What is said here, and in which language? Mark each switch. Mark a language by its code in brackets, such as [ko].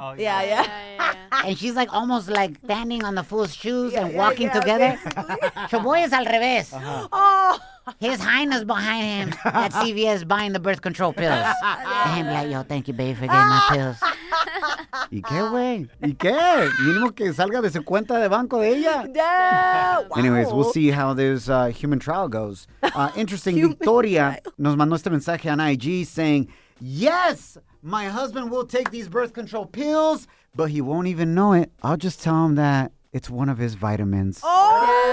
[en] Oh, yeah. Yeah. And she's, like, almost, like, standing on the fool's shoes and walking together? Shaboy is [es] al revés. [en] His hyena's behind him at CVS buying the birth control pills. And he'll be like, yo, thank you, babe, for getting my pills. [es] ¿Y qué, güey? ¿Y qué? Mínimo que salga de su cuenta de banco de ella. [en] Anyways, we'll see how this human trial goes. Interesting, Victoria [es] nos mandó este mensaje [en] on IG saying, yes, my husband will take these birth control pills, but he won't even know it. I'll just tell him that it's one of his vitamins. Oh!